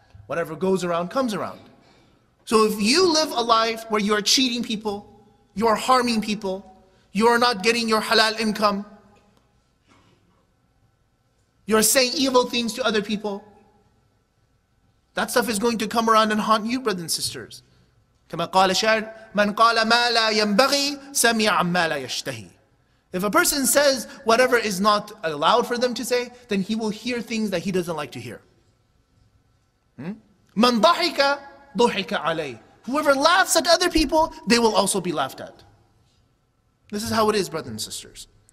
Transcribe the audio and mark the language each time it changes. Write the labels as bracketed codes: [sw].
[en] Whatever goes around, comes around. So if you live a life where you are cheating people, you are harming people, you are not getting your halal income, you are saying evil things to other people, that stuff is going to come around and haunt you, brothers and sisters. [ar] كما قال الشاعر, من قال ما لا ينبغي سمع ما لا يشتهي. [en] If a person says whatever is not allowed for them to say, then he will hear things that he doesn't like to hear. [ar] من ضحك ضُحِكَ عَلَيْهِ. [en] Whoever laughs at other people, they will also be laughed at. This is how it is, brothers and sisters.